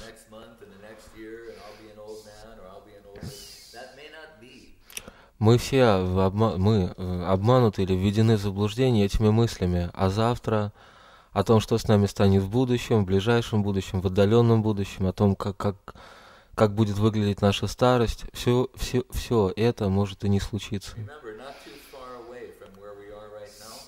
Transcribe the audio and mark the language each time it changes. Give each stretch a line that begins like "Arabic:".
English: the next month and the next year and I'll be an old man or I'll be an old man. That may not be.
Russian: Мы все обмануты или введены в заблуждение этими мыслями о завтра, о том, что с нами станет в будущем, в ближайшем будущем, в отдаленном будущем, о том, как будет выглядеть наша старость. Все это может и не случиться.
English: Remember, not too far away from where we are right now.